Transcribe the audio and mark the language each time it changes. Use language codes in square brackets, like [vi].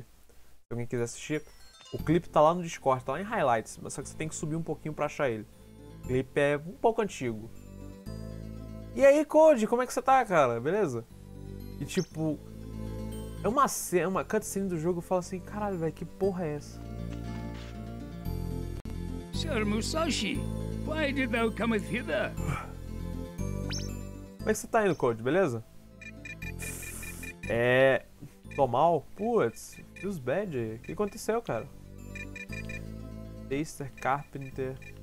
[pt] Se alguém quiser assistir... O clipe tá lá no Discord, tá lá em Highlights, mas só que você tem que subir um pouquinho pra achar ele. O clipe é um pouco antigo. E aí, Code, como é que você tá, cara? Beleza? E tipo... É uma cutscene do jogo, eu falo assim, caralho, velho, que porra é essa? [en] Sr. Musashi, why did thou come hither? [pt] Como é que você tá indo, Code? Beleza? Tô mal? Putz, [en] feels bad. [pt] O que aconteceu, cara? Taster, Carpenter.